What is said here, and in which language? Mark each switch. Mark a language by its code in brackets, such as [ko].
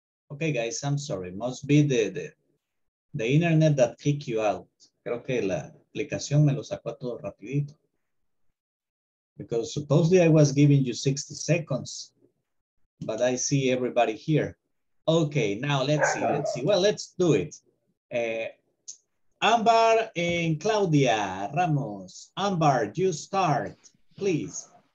[en] Okay, guys, I'm sorry. Must be the internet that kicked you out. [es] Creo que la aplicación me lo sacó a todo rapidito. [en] Because supposedly I was giving you 60 seconds, but I see everybody here. Okay, now let's see. Let's see. Well, let's do it. Amber and Claudia Ramos. Amber, you start, please.